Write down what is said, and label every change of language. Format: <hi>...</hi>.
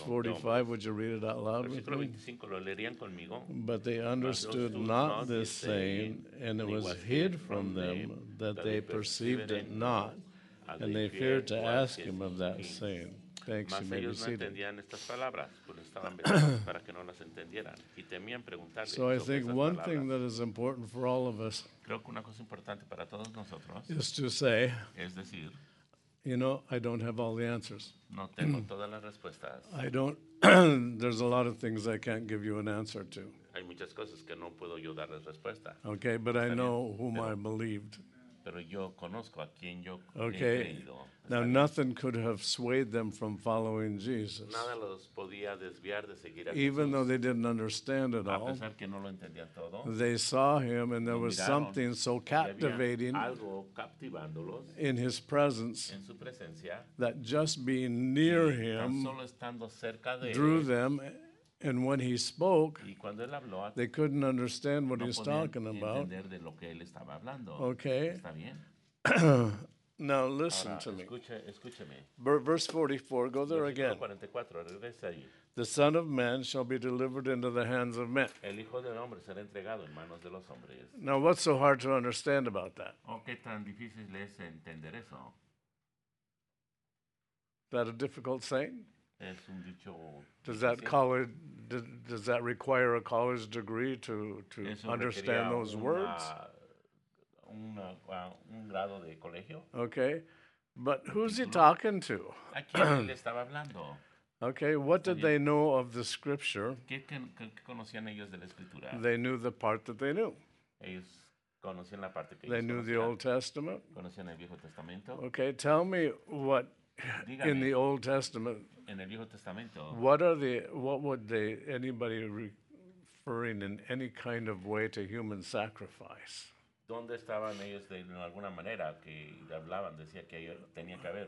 <en>45, would you read it out loud with me? But they understood not this saying, and it was hid from them that they perceived it not, and they feared to ask him of that saying. Thanks,</en> <es>mas ellos no entendían estas palabras, pues estaban para que no las entendieran y temían preguntarle.</es> <en>So I think one</en> <es>palabras.</es> <en>Thing that is important for all of us</en> <es>creo que una cosa importante para todos nosotros</es> <en>is to say,</en> <es>es decir,</es> <en>you know, I don't have all the answers.</en> <es>No tengo todas las respuestas.</es> <en>I don't. There's a lot of things I can't give you an answer to.</en> <es>Hay muchas cosas que no puedo yo darles respuesta.</es> <en>Okay, but I know whom I believed.</en> <es>Pero yo conozco a quien yo</es> <en>okay.</en> <es>he creído.</es> <en>Now, nothing could have swayed them from following Jesus.</en> <es>Nada los podía desviar de seguir a</es> <en>Jesús. Even though they didn't understand it all,</en> <es>a pesar que no lo entendían todo,</es> <en>they saw him and there was something so captivating</en> <es>algo captivándolos</es> <en>in his presence</en> <es>en su presencia,</es> <en>that just being near him</en> <es>solo estando cerca de</es> <en>drew</en> <es>él,</es> <en>them. And when he spoke,</en> <es>y cuando él habló,</es> <en>they couldn't understand what</en> <es>no</es> <en>he was talking about.</en> <es>Entender de lo que él estaba hablando.</es> <en>Okay.</en> <es>Está bien.</es> <en>Now listen</en> <es>Ahora,</es> <en>to me.</en> <es>Escúcheme.</es> <en>Verse 44, go there again.</en> <es>44, regresa ahí.</es> <en>The Son of Man shall be delivered into the hands of men.</en> <es>El Hijo del Hombre será entregado en manos de los hombres.</es> <en>Now what's so hard to understand about that?</en> <es>¿O qué tan difícil es entender eso?</es> <en>That a difficult saying?</en> <es>Es un dicho</es> <en>does that college, does that require a college degree to understand those words?</en> <es>Un grado de colegio.</es> <en>Okay, but who's he talking to?</en> <es>¿A quién le estaba hablando?</es> <en>Okay, what did they know of the scripture?</en> <es>¿Qué conocían ellos de la escritura?</es> <en>They knew the part that they knew.</en> <es>Ellos conocían la parte que</es> <en>they</en> <es>ellos</es> <en>knew</en> <es>conocían.</es> <en>The Old Testament.</en> <es>Conocían el Viejo Testamento.</es> <en>Okay, tell me what</en> <es>dígame,</es> <en>in the Old Testament.</en> <es>En el Viejo Testamento,</es> <en>what would they anybody referring in any kind of way to human sacrifice?</en> <es>¿Dónde estaban ellos de en alguna manera que hablaban decía que tenía que haber</es>